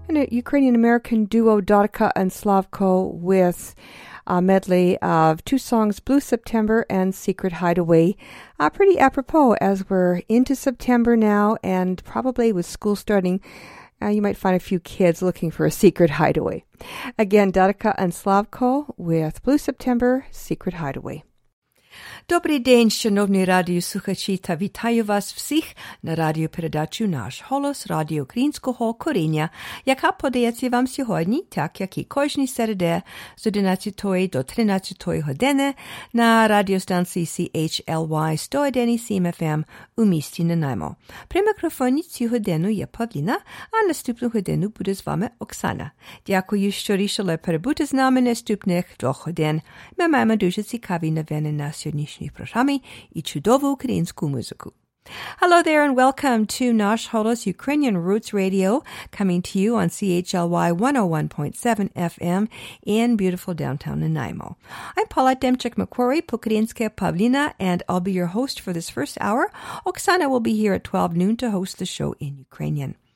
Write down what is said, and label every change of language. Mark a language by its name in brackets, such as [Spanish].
[English] Ukrainian-American duo Dotika and Slavko with a medley of two songs, Blue September and Secret Hideaway. Pretty apropos as we're into September now and probably with school starting, you might find a few kids looking for a secret hideaway. Again, Dotika and Slavko with Blue September, Secret Hideaway. [Ukrainian] Добрий день, шановні радіослухачі, та вітаю вас всіх на радіопередачу «Наш голос» радіо Українського коріння, яка подається вам сьогодні, так як і кожні середи з 11 до 13 години на радіостанції CHLY 101.7 FM у місті Нанаймо. При мікрофоні цю годину є Павліна, а наступну годину буде з вами Оксана. Дякую, що рішили перебути з нами наступних двох годин. Ми маємо дуже цікаві новини на сьогоднішній програмі і чудову українську музику. [English] Hello there and welcome to Nash Holos Ukrainian Roots Radio, coming to you on CHLY 101.7 FM in beautiful downtown Nanaimo. I'm Paulette Demchuk-McQuarrie, Pukarinska Pavlina, and I'll be your host for this first hour. Oksana will be here at 12 noon to host the show in Ukrainian.